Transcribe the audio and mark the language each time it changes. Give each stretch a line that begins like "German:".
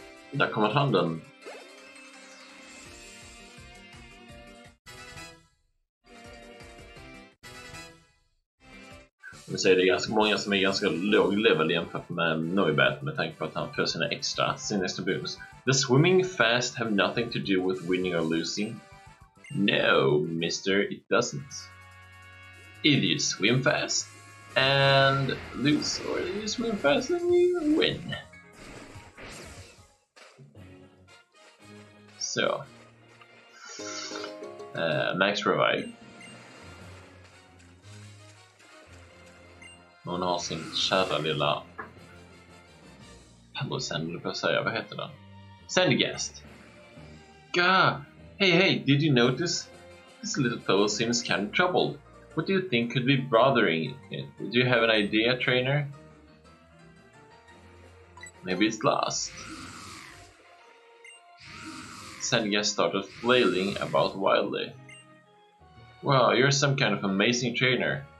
Swedish: Där kommer handen. Nu säger det ganska många som är ganska låg level jämfört med Noibet med tanke på att han får sina extra bonus.
English: The swimming fast have nothing to do with winning or losing? No, mister, it doesn't. Either you swim fast and lose, or you swim fast and you win.
Swedish: Så. Max Revive. Hon har sin kära lilla pebblesänder på sig, vad heter den? Sandgast! Gah!
English: Hey, did you notice? This little fellow seems kind of troubled. What do you think could be bothering him? Do you have an idea, trainer? Maybe it's lost. Svenska started flailing about wildly. Wow, you're some kind of amazing trainer.